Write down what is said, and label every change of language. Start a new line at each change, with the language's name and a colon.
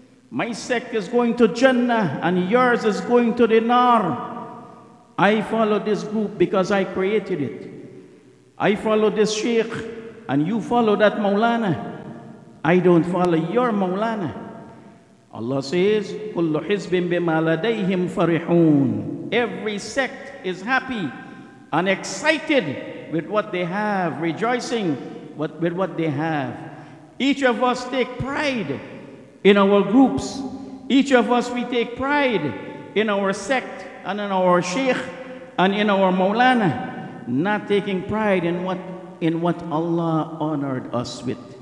English: My sect is going to Jannah and yours is going to the Nar. I follow this group because I created it. I follow this Sheikh and you follow that Mawlana. I don't follow your Mawlana. Allah says,
Arabic: كُلُّ حِزْبٍ بِمَا لَدَيْهِمْ فَرِحُونَ.
English: Every sect is happy and excited with what they have, rejoicing with what they have. Each of us take pride in our groups. Each of us, we take pride in our sect and in our Sheikh and in our Mawlana, not taking pride in what Allah honored us with.